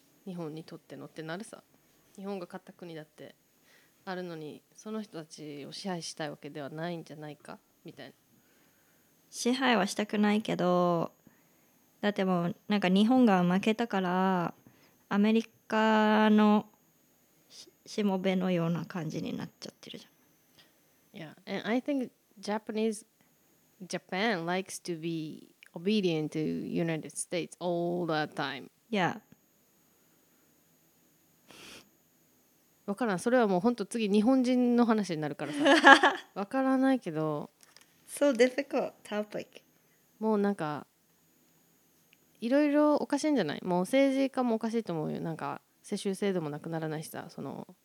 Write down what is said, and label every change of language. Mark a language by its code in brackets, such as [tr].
[ja] 日本にとってのってなるさ。日本が勝った国だってあるのに、その人たちを支配したいわけではないんじゃないかみたいな。支配はしたくないけど、だってもうなんか日本が負けたからアメリカのしもべのような感じになっちゃってるじゃん。 [en] Yeah, and I think Japan likes to be obedient to United States all the time. Yeah. [ja] わからん。それはもう本当次日本人の話になるからさ。わからないけど。 [en] So difficult topic. [ja] もうなんかいろいろおかしいんじゃない？もう政治家もおかしいと思うよ。なんか世襲制度もなくならないしさ、その、